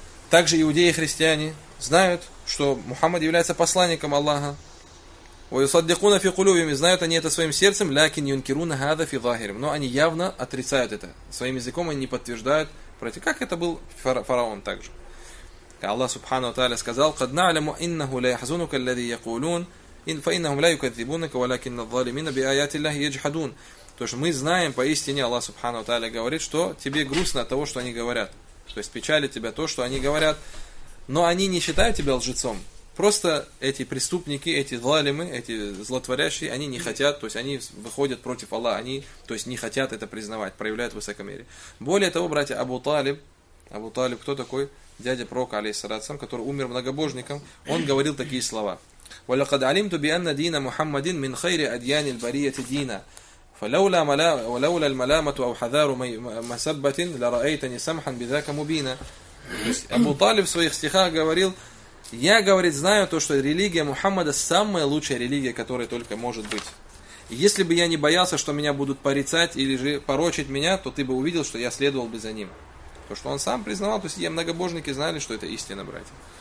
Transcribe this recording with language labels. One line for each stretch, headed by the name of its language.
Russian: Также иудеи и христиане знают, что Мухаммад является посланником Аллаха.
Arabic: وَيُصَدِّقُونَ فِي قُلُوبِهِمْ.
Russian: Знают они это своим сердцем.
Arabic: لَكِنْ يُنْكِرُونَ هَذَا فِي ظَاهِرِهِمْ.
Russian: Но они явно отрицают это. Своим языком они не подтверждают. Как это был фараон также. Аллах Субхану Тааля сказал,
Arabic: قَدْ نَعْلَمُ إِنَّهُ لَيَحْزُنُكَ الَّذِي يَقُولُونَ. Инфаинахум ля юказзибунака, валякинна аззалимина би аятиллахи йаджхадун.
Russian: То есть мы знаем поистине, Аллах Субхану Тааля говорит, что тебе грустно от того, что они говорят. То есть печалит тебя то, что они говорят. Но они не считают тебя лжецом. Просто эти преступники, эти залимы, эти злотворящие, они не хотят, то есть они выходят против Аллаха, они, то есть, не хотят это признавать, проявляют высокомерие. Более того, братья, Абу Талиб, кто такой? Дядя пророка, алейхиссалям, который умер многобожником, он говорил такие слова.
Arabic: وَلَقَدْ عَلِمْتُ بِأَنَّ دِينَ مُحَمَّدٍ مِنْ خَيْرِ أَدْيَانِ الْبَرِيَةِ دِينَ. فلولا ولولا الملامة أو حذار مسبة لرأيتني سمحا بذاك مبينا.
Russian: То есть Абу Талиб в своих стихах говорил: я, говорит, знаю то, что религия Мухаммада самая лучшая религия, которая только может быть. Если бы я не боялся, что меня будут порицать или же порочить меня, то ты бы увидел, что я следовал бы за ним. То, что он сам признавал, то есть все многобожники знали, что это истина, братья.